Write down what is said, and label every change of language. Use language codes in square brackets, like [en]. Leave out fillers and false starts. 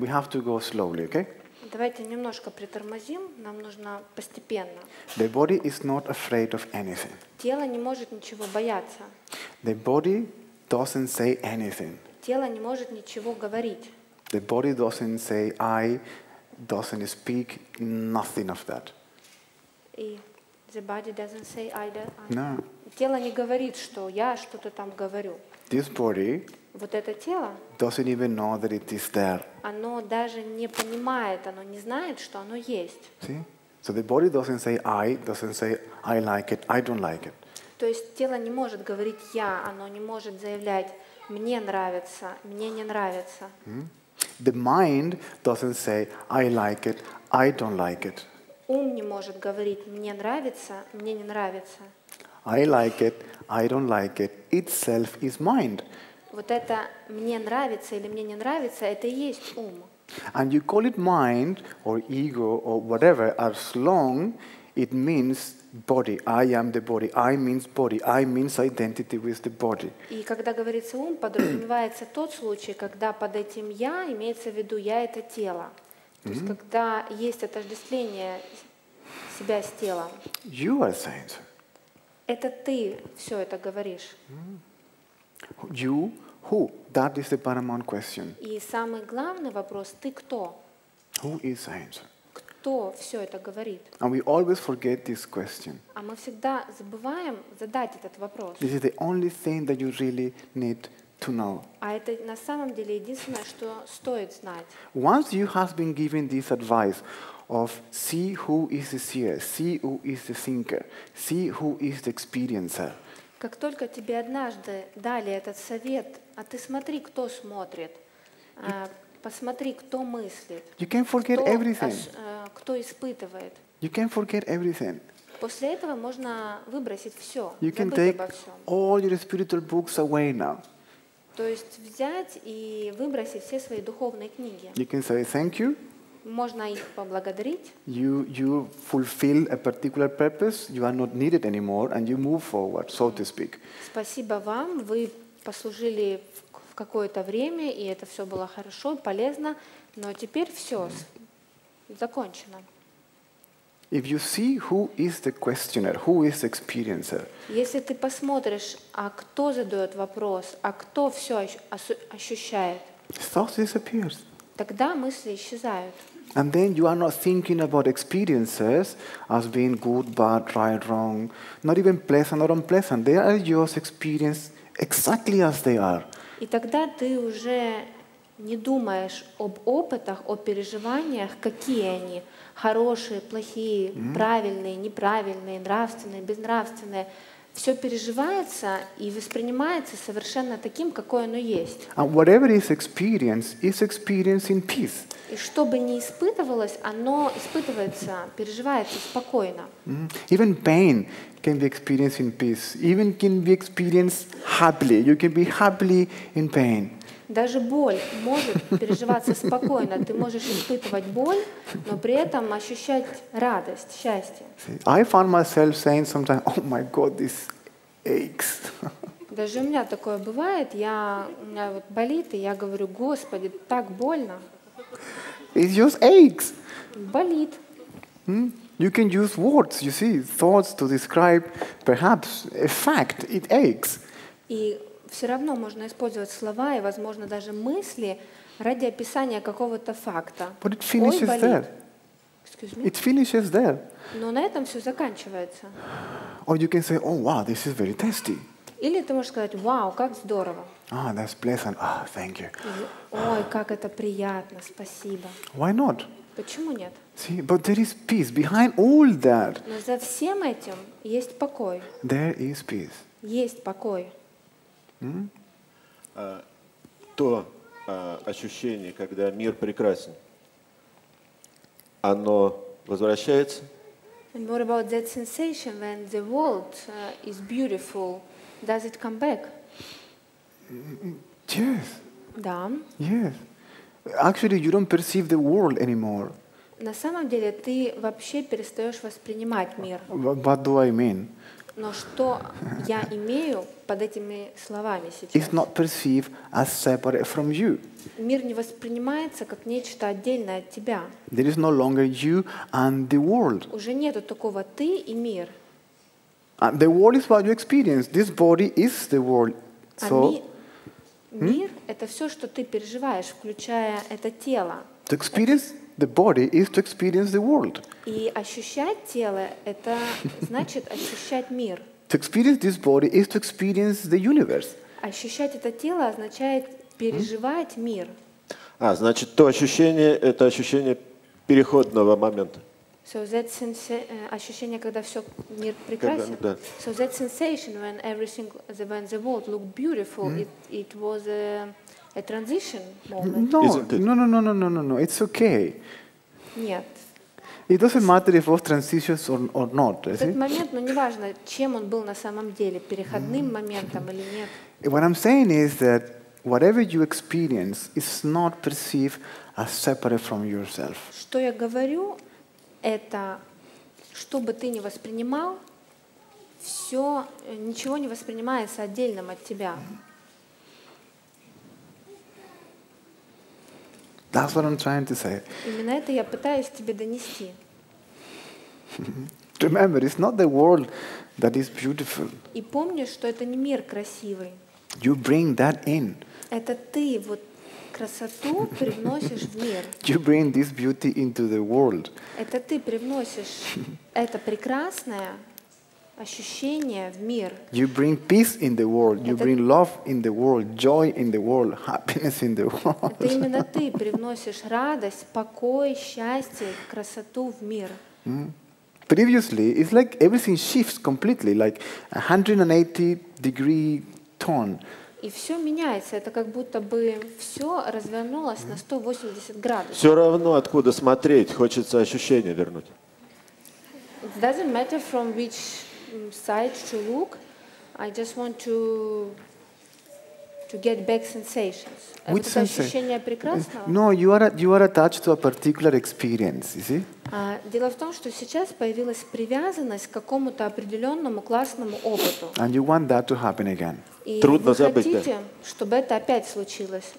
[en] We have to go slowly, okay? [ru] Давайте немножко притормозим. Нам нужно постепенно. [en] The body is not afraid of anything. [ru] Тело не может ничего бояться. [en] The body doesn't say anything. [ru] Тело не может ничего говорить. [en] The body doesn't say I, doesn't speak, nothing of that. [ru] И [en] the body doesn't say I, do, I. No. [ru] Тело не говорит, что я что-то там говорю. [en] This body. [ru] Вот это тело. [en] Doesn't even know that it is there. [ru] Оно даже не понимает, оно не знает, что оно есть. [en] See? So the body doesn't say I like it, I don't like it. [ru] То есть тело не может говорить я, оно не может заявлять мне нравится, мне не нравится. [en] The mind doesn't say I like it, I don't like it. [ru] Ум не может говорить мне нравится, мне не нравится. [en] I like it, I don't like it. Itself is mind. [ru] Вот это мне нравится или мне не нравится, это и есть ум. [en] And you call it mind or ego or whatever as long it means body. I am the body. I means body. I means identity with the body. [ru] И когда говорится ум, подразумевается тот случай, когда под этим я имеется в виду я это тело. То есть когда есть отождествление себя с телом. [en] You are saying. [ru] Это ты все это говоришь. [en] You, who? That is the paramount question. [ru] И самый главный вопрос: ты кто? [en] Who is saying? [ru] Кто все это говорит? [en] And we always forget this question. [ru] А мы всегда забываем задать этот вопрос. [en] This is the only thing that you really need to know. [ru] А это на самом деле единственное, что стоит знать. [en] Once you have been given this advice of see who is the seer, see who is the thinker, see who is the experiencer. [ru] Как только тебе однажды дали этот совет, а ты смотри, кто смотрит, посмотри, кто мыслит, [en] you can forget everything. [ru] Кто испытывает. [en] You can forget everything. [ru] После этого можно выбросить все, [en] you [ru] забыть [en] can take [ru] обо всем. [en] All your spiritual books away now. [ru] То есть взять и выбросить все свои духовные книги. [en] You can say thank you. [ru] Можно их поблагодарить. [en] You fulfill a particular purpose. You are not needed anymore, and you move forward, so to speak. [ru] Спасибо вам. Вы послужили в какое-то время, и это все было хорошо, полезно. Но теперь все закончено. [en] If you see who is the questioner, who is the experiencer. [ru] Если ты посмотришь, а кто задает вопрос, а кто все ощущает. [en] Thought disappears. [ru] Тогда мысли исчезают. [en] And then you are not thinking about experiences as being good, bad, right, wrong, not even pleasant or unpleasant. They are your experience exactly as they are. [ru] И тогда ты уже не думаешь об опытах, о переживаниях, какие они, хорошие, плохие, правильные, неправильные, нравственные, безнравственные. Все переживается и воспринимается совершенно таким, какое оно есть. [en] And whatever is experience in peace. [ru] И что бы ни испытывалось, оно испытывается, переживается спокойно. [en] Even pain can be experienced in peace. Even can be experienced happily. You can be happily in pain. [ru] Даже боль может переживаться спокойно. Ты можешь испытывать боль, но при этом ощущать радость, счастье. [en] I find myself saying sometimes, oh my God, this aches. [ru] Даже у меня такое бывает. У меня вот болит, и я говорю, Господи, так больно. [en] It just aches. [ru] Болит. [en] You can use words, you see, thoughts to describe perhaps a fact. It aches. [ru] И все равно можно использовать слова и, возможно, даже мысли ради описания какого-то факта. [en] But it finishes [ru] Ой, [en] there. Excuse me. It finishes there. [ru] Но на этом все заканчивается. [en] Or you can say, oh wow, this is very tasty. [ru] Или ты можешь сказать, вау, как здорово. [en] Ah, that's pleasant. Ah, thank you. [ru] Ой, как это приятно, спасибо. [en] Why not? [ru] Почему нет? [en] See, but there is peace behind all that. [ru] Но за всем этим есть покой. [en] There is peace. [ru] Есть покой. То ощущение, когда мир прекрасен, оно возвращается? [en] And what about that sensation when the world is beautiful? Does it come back? Yes. [ru] Да. [en] Yes. Actually, you don't perceive the world anymore. [ru] На самом деле, ты вообще перестаешь воспринимать мир. [en] What do I mean? [ru] Но что я имею под этими словами сейчас? [en] It's not perceived as separate from you. [ru] Мир не воспринимается как нечто отдельное от тебя. [en] There is no longer you and the world. [ru] Уже нету такого ты и мир. [en] And the world is what you experience. This body is the world. So, [ru] мир это все, что ты переживаешь, включая это тело. [en] To experience the body is to experience the world. [ru] И ощущать тело это значит ощущать мир. [en] To experience this body is to experience the universe. [ru] Ощущать это тело означает переживать мир. А, значит, то ощущение это ощущение переходного момента. [en] So that [ru] ощущение, когда все мир прекрасен. Когда, да. [en] So that sensation when everything when the world looked beautiful, it was a transition moment. No, no. It's okay. [ru] Нет. [en] It doesn't matter if it was transitions or not. [ru] Этот момент, но не важно, чем он был на самом деле, переходным моментом или нет. [en] What I'm saying is that whatever you experience is not perceived as separate from yourself. [ru] Что я говорю? Это, что бы ты ни воспринимал, все, ничего не воспринимается отдельным от тебя. [en] That's what I'm trying to say. [ru] Именно это я пытаюсь тебе донести. [en] Remember, it's not the world that is beautiful. [ru] И помни, что это не мир красивый. [en] You bring that in. [ru] Это ты вот красоту привносишь в мир. [en] You bring this beauty into the world. [ru] Это ты привносишь это прекрасное ощущение в мир. [en] You bring peace in the world. You bring love in the world, joy in the world, happiness in the world. [ru] Это именно ты привносишь радость, покой, счастье, красоту в мир. [en] Previously, it's like everything shifts completely, like a 180 degree turn. [ru] И все меняется. Это как будто бы все развернулось на 180 градусов. Все равно, откуда смотреть, хочется ощущение вернуть. [en] It doesn't matter from which side to look. I just want to get back sensations. Which [ru] это ощущение прекрасного? [en] No, you are attached to a particular experience, you see? [ru] Дело в том, что сейчас появилась привязанность к какому-то определенному классному опыту. [en] And you want that to happen again. [ru] И трудно вы забыть, хотите, да. Чтобы это опять случилось.